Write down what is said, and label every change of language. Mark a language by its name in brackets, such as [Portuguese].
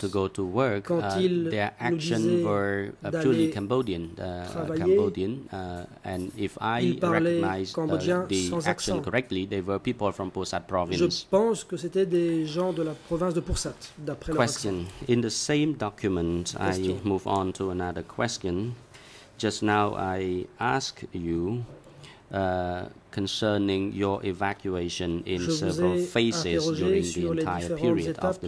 [English] To go to work, their actions were purely Cambodian, and if I recognized the action correctly, they were people from Pusat province. [French] Je pense que c'était des gens de la province de Pusat, d'après [English] question. In the same document, question. I move on to another question. Just now I ask you concerning your evacuation in several phases during the entire period of the